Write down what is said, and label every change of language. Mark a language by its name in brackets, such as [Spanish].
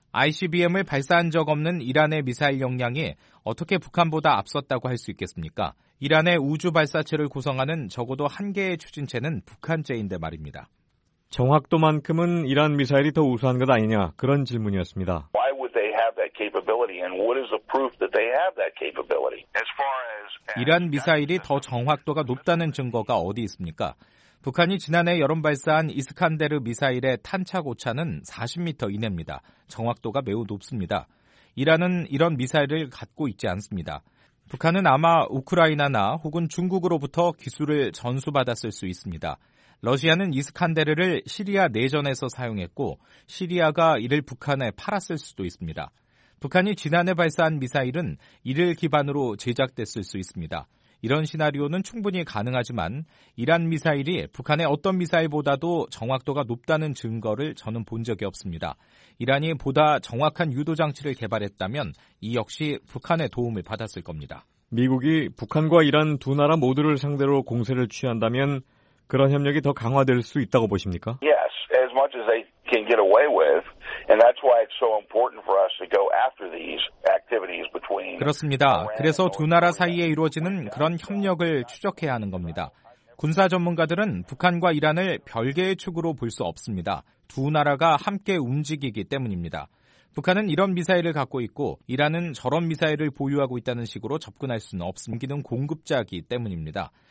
[Korean] ICBM을 발사한 적 없는 이란의 미사일 역량이 어떻게 북한보다 앞섰다고 할 수 있겠습니까? 이란의 우주 발사체를 구성하는 적어도 한 개의 추진체는 북한제인데 말입니다. 정확도만큼은 이란 미사일이 더 우수한 것 아니냐 그런 질문이었습니다. [English] Why would they have that capability and what is the proof that they have that capability? As far as [Korean] 이란 미사일이 더 정확도가 높다는 증거가 어디 있습니까? 북한이 지난해 여름 발사한 이스칸데르 미사일의 탄착 오차는 40m 이내입니다. 정확도가 매우 높습니다. 이란은 이런 미사일을 갖고 있지 않습니다. 북한은 아마 우크라이나나 혹은 중국으로부터 기술을 전수받았을 수 있습니다. 러시아는 이스칸데르를 시리아 내전에서 사용했고 시리아가 이를 북한에 팔았을 수도 있습니다. 북한이 지난해 발사한 미사일은 이를 기반으로 제작됐을 수 있습니다. 이런 시나리오는 충분히 가능하지만 이란 미사일이 북한의 어떤 미사일보다도 정확도가 높다는 증거를 저는 본 적이 없습니다. 이란이 보다 정확한 유도장치를 개발했다면 이 역시 북한의 도움을 받았을 겁니다. 미국이 북한과 이란 두 나라 모두를 상대로 공세를 취한다면 그런 협력이 더 강화될 수 있다고 보십니까? [English] Yes, as much as they can get away with. And that's why it's so important for us to go after these activities between. [Korean] 그렇습니다. 그래서 두 나라 사이에 이루어지는 그런 협력을 추적해야 하는 겁니다. 군사 전문가들은 북한과 이란을 별개의 축으로 볼 수 없습니다. 두 나라가 함께 움직이기 때문입니다. 북한은 이런 미사일을 갖고 있고 이란은 저런 미사일을 보유하고 있다는 식으로 접근할 수는 없음기는 공급자이기 때문입니다.